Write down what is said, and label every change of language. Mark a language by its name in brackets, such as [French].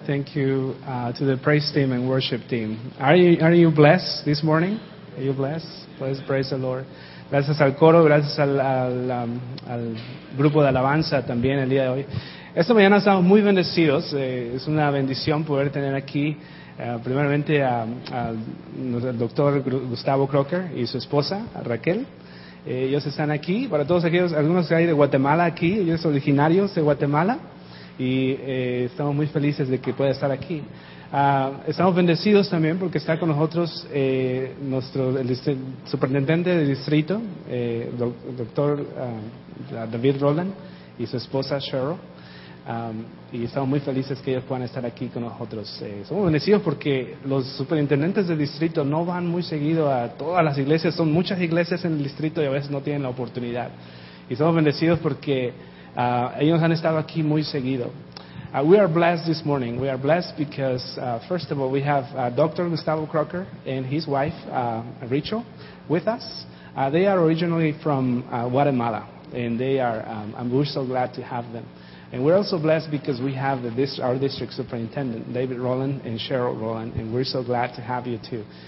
[English] Thank you to the praise team and worship team. Are you blessed this morning? Are you blessed? Please praise the Lord. [Spanish] Gracias al coro, gracias al grupo de alabanza también el día de hoy. Esta mañana estamos muy bendecidos. Es una bendición poder tener aquí primeramente al doctor Gustavo Crocker y su esposa Raquel. Ellos están aquí. Para todos aquellos, algunos que hay de Guatemala aquí, ellos son originarios de Guatemala. Y estamos muy felices de que pueda estar aquí. Estamos bendecidos también porque está con nosotros el superintendente del distrito, doctor David Roland, y su esposa Cheryl. Y estamos muy felices que ellos puedan estar aquí con nosotros. Somos bendecidos porque los superintendentes del distrito no van muy seguido a todas las iglesias. Son muchas iglesias en el distrito y a veces no tienen la oportunidad. Y somos bendecidos porque ellos han estado aquí muy seguido. [English] We are blessed this morning. We are blessed because, first of all, we have Dr. Gustavo Crocker and his wife, Rachel, with us. They are originally from Guatemala, and they are. We're so glad to have them. And we're also blessed because we have our district superintendent, David Roland and Cheryl Roland, and we're so glad to have you too.